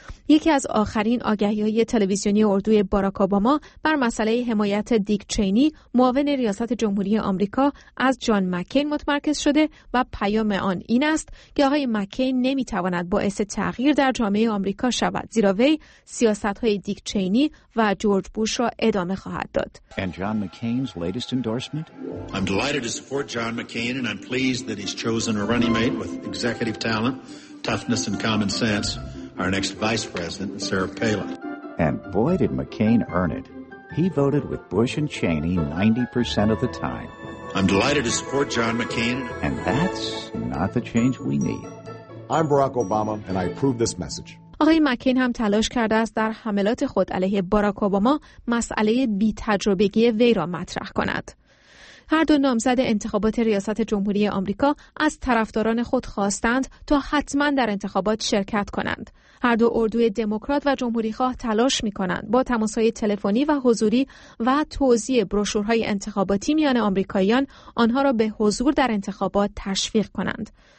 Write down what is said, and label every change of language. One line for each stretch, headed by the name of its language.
Persian: یکی از آخرین آگهی‌های تلویزیونی اردوی باراک اوباما بر مسئله حمایت دیک چینی، معاون ریاست جمهوری آمریکا، از جان مکین متمرکز شده و پیام آن این است که آقای مکین نمی‌تواند باعث تغییر در جامعه آمریکا شود، زیرا وی سیاست‌های دیک چینی و جورج بوش را ادامه خواهد داد.
English: And John McCain's latest endorsement? I'm delighted to support John McCain and I'm pleased that he's chosen a running mate with executive talent, toughness and common sense. Our next vice president, Sarah Palin. And boy did McCain earn it. He voted with Bush and Cheney 90% of the time. I'm delighted to support John McCain. And that's not the change we need. I'm Barack Obama, and I approve this message.
Persian: آقای مکین هم تلاش کرده است در حملات خود علیه باراک اوباما مسئله بی تجربگی وی را مطرح کند. هر دو نامزد انتخابات ریاست جمهوری آمریکا از طرفداران خود خواستند تا حتما در انتخابات شرکت کنند. هر دو اردوی دموکرات و جمهوری خواه تلاش می کنند با تماس‌های تلفنی و حضوری و توزیع بروشورهای انتخاباتی میان آمریکاییان آنها را به حضور در انتخابات تشویق کنند.